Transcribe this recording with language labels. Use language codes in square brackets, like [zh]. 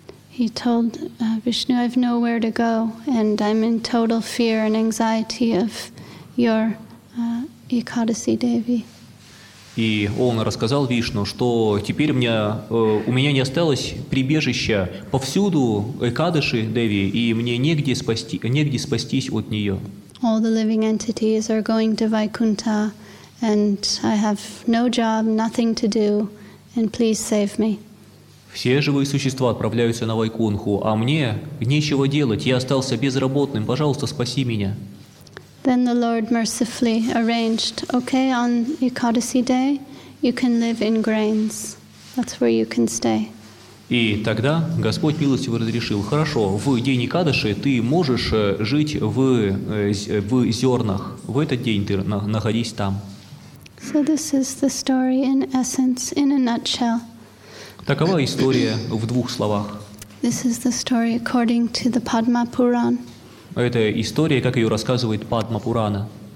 [en] He told Vishnu, I have nowhere to go, and I'm in total fear and anxiety of your Ekadasi Devi. [ru] И он рассказал Вишну, что теперь у меня не осталось прибежища. Повсюду Экадаши Деви, и мне негде спастись от нее. [en] All the living entities are going to Vaikuntha, and I have no job, nothing to do, and please save me. [ru] Все живые существа отправляются на Вайкунху, а мне нечего делать, я остался безработным, пожалуйста, спаси меня. [en] Then the Lord mercifully arranged, okay, on Ekadasi Day, you can live in grains. That's where you can stay. [ru] И тогда Господь милостиво разрешил, хорошо, в день Экадаши ты можешь жить в зернах. В этот день ты находись там. [en] So this is the story in essence, in a nutshell. [ru] Такова история в двух словах. [en] This is the story according to the Padma Puran. [ru] Это история, как ее рассказывает Падма Пурана.